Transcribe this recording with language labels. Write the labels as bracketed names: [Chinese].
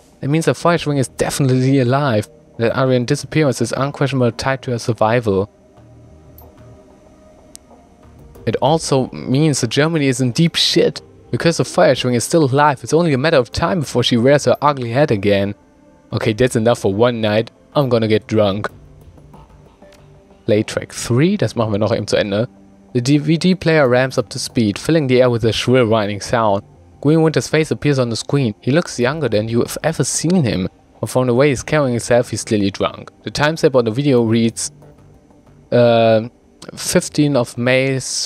[English] It means that Feuerschwing is definitely alive, that Adrian's disappearance is unquestionably tied to her survival. It also means that Germany is in deep shit. Because the Feuerschwing is still alive, it's only a matter of time before she wears her ugly head again. Okay, that's enough for one night. I'm gonna get drunk. Late track 3, [German] das machen wir noch eben zu Ende. [English] The DVD player ramps up to speed, filling the air with a shrill whining sound. Green Winter's face appears on the screen. He looks younger than you have ever seen him, but from the way he's carrying himself, he's clearly drunk. The timestamp on the video reads 15 of May